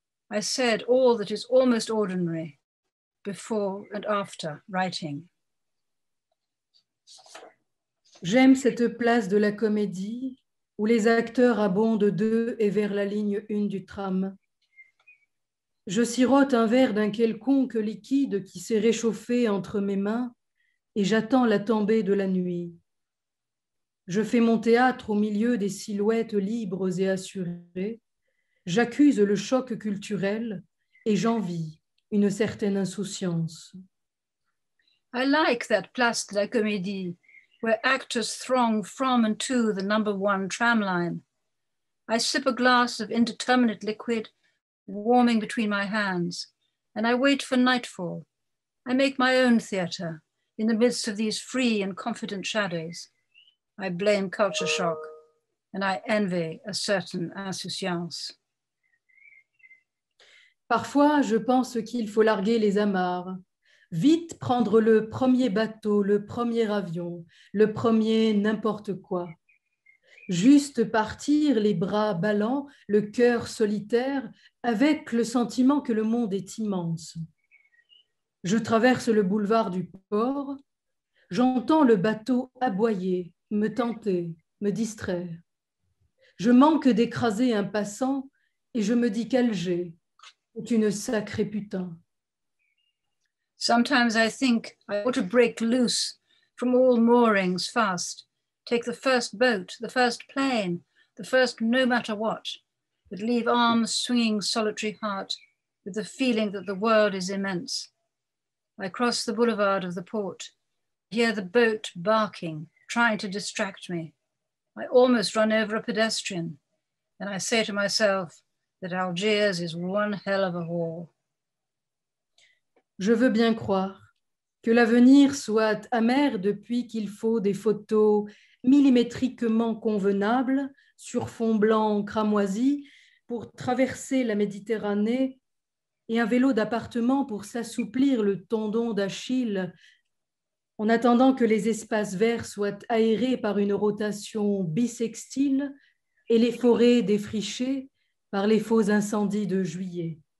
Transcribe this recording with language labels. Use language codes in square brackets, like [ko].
[en] I said, all that is almost ordinary, before and after writing. [fr] J'aime cette place de la comédie où les acteurs abondent d'eux et vers la ligne une du tram. Je sirote un verre d'un quelconque liquide qui s'est réchauffé entre mes mains et j'attends la tombée de la nuit. Je fais mon théâtre au milieu des silhouettes libres et assurées. J'accuse le choc culturel et j'en vis. Une certaine insouciance. [en] I like that Place de la Comédie, where actors throng from and to the number one tram line. I sip a glass of indeterminate liquid warming between my hands, and I wait for nightfall. I make my own theatre in the midst of these free and confident shadows. I blame culture shock, and I envy a certain insouciance. [fr] Parfois, je pense qu'il faut larguer les amarres, vite prendre le premier bateau, le premier avion, le premier n'importe quoi. Juste partir, les bras ballants, le cœur solitaire, avec le sentiment que le monde est immense. Je traverse le boulevard du port, J'entends le bateau aboyer, me tenter, me distraire. Je manque d'écraser un passant et je me dis qu'Alger est une sacrée putain. [en] Sometimes I think I ought to break loose from all moorings fast, take the first boat, the first plane, the first no matter what, but leave arms swinging solitary heart with the feeling that the world is immense. I cross the boulevard of the port, hear the boat barking, trying to distract me. I almost run over a pedestrian, and I say to myself that Algiers is one hell of a whore. [fr] Je veux bien croire que l'avenir soit amer depuis qu'il faut des photos millimétriquement convenables sur fond blanc cramoisi pour traverser la Méditerranée et un vélo d'appartement pour s'assouplir le tendon d'Achille en attendant que les espaces verts soient aérés par une rotation bissextile et les forêts défrichées par les faux incendies de juillet.